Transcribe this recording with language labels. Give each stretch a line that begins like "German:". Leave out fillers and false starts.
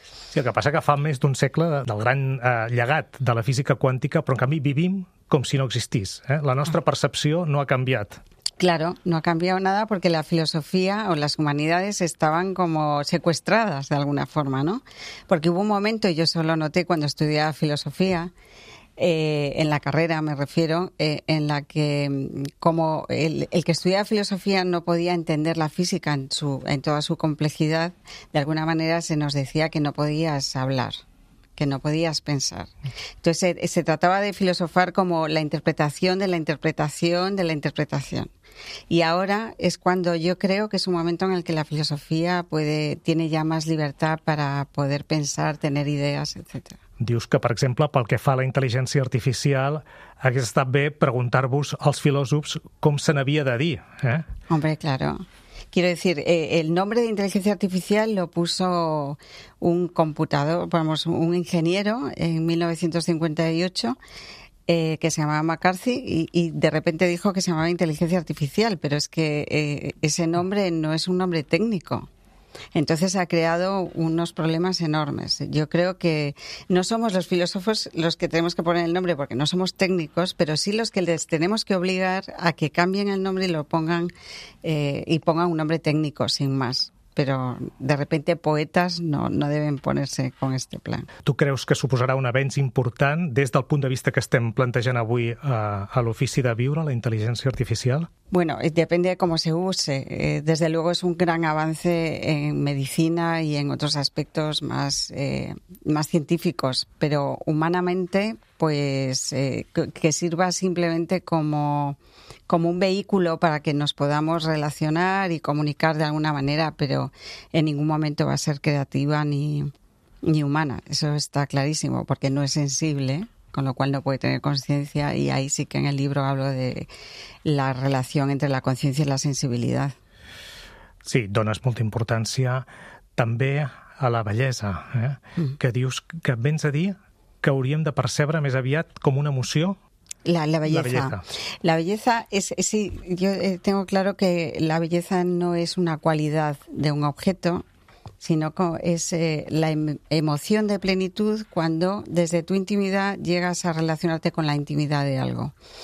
Catalan: Sí, el que passa que fa més d'un segle del gran llegat de la física quàntica, però en canvi vivim com si no existís. La nostra percepció no ha canviat.
Spanish: Claro, no ha cambiado nada porque la filosofía o las humanidades estaban como secuestradas de alguna forma, ¿no? Porque hubo un momento, y yo eso lo noté cuando estudiaba filosofía, en la carrera me refiero, en la que como el que estudiaba filosofía no podía entender la física en toda su complejidad, de alguna manera se nos decía que no podías hablar, que no podías pensar. Entonces se trataba de filosofar como la interpretación de la interpretación de la interpretación. Y ahora es cuando yo creo que es un momento en el que la filosofía tiene ya más libertad para poder pensar, tener ideas, etc.
Catalan: Dius que, per exemple, pel que fa a la intel·ligència artificial, hagués estat bé preguntar-vos als filòsofs com se n'havia de dir.
Spanish: Hombre, claro. Quiero decir, el nombre de inteligencia artificial lo puso un computador, vamos, un ingeniero en 1958, que se llamaba McCarthy, y de repente dijo que se llamaba inteligencia artificial, pero es que ese nombre no es un nombre técnico. Entonces ha creado unos problemas enormes. Yo creo que no somos los filósofos los que tenemos que poner el nombre, porque no somos técnicos, pero sí los que les tenemos que obligar a que cambien el nombre y lo pongan y pongan un nombre técnico, sin más. Però, de repente, poetes no deben ponerse con este plan.
Catalan: Tu creus que suposarà un avenç important des del punt de vista que estem plantejant avui a l'ofici de viure, la intel·ligència artificial?
Spanish: Bueno, depende de cómo se use. Desde luego es un gran avance en medicina y en otros aspectos más científicos, pero humanamente, pues que sirva simplemente como un vehículo para que nos podamos relacionar y comunicar de alguna manera, pero en ningún momento va a ser creativa ni humana. Eso está clarísimo, porque no es sensible, con lo cual no puede tener conciencia, y ahí sí que en el libro hablo de la relación entre la conciencia y la sensibilidad.
Catalan: Sí, dones molta importància també a la bellesa, que dius que vens a dir que hauríem de percebre més aviat com una emoció.
Spanish: La belleza es, yo tengo claro que la belleza no es una cualidad de un objeto, sino que es la emoción de plenitud cuando desde tu intimidad llegas a relacionarte con la intimidad de algo.